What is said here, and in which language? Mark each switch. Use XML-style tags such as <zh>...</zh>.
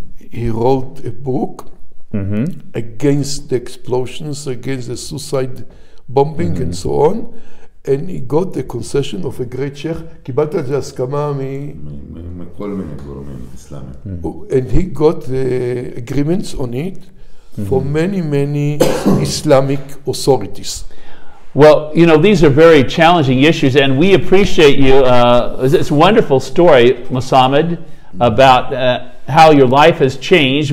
<en>He wrote a book against the explosions, against the suicide bombing and so on, and he got the concession of a great sheikh.</en> <he>קיבלת את זה הסכמה מכל מיני גורמים אסלאמיים.</he> <en>And he got agreements on it from many Islamic authorities. Well, you know, these are very challenging issues, and we appreciate you. It's a wonderful story, Mohamad, about how your life has changed.</en>